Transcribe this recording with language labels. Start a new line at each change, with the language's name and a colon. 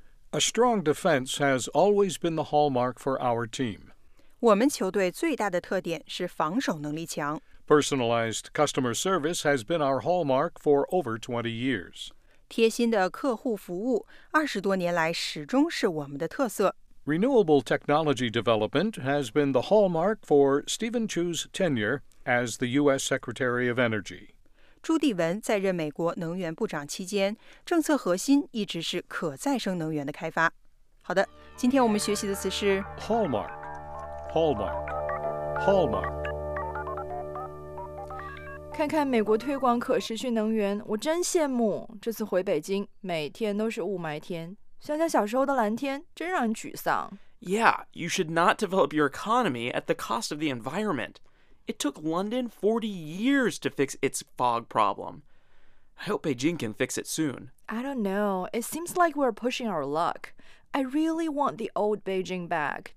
English: A strong defense has always been the hallmark for our team.
Chinese: 我们球队最大的特点是防守能力强。
English: Personalized customer service has been our hallmark for over 20 years.
Chinese: 贴心的客户服务20多年来始终是我们的特色。
English: Renewable technology development has been the hallmark for Stephen Chu's tenure as the U.S. Secretary of Energy.
Chinese: 朱棣文在任美国能源部长期间，政策核心一直是可再生能源的开发。好的，今天我们学习的词是
English: Hallmark, Hallmark, Hallmark.
Chinese: 看看美国推广可持续能源，我真羡慕。这次回北京，每天都是雾霾天，想想小时候的蓝天，真让人沮丧。
English: Yeah, you should not develop your economy at the cost of the environment. It took London 40 years to fix its fog problem. I hope Beijing can fix it soon. I don't know. It seems like we're pushing our luck. I really want the old Beijing back.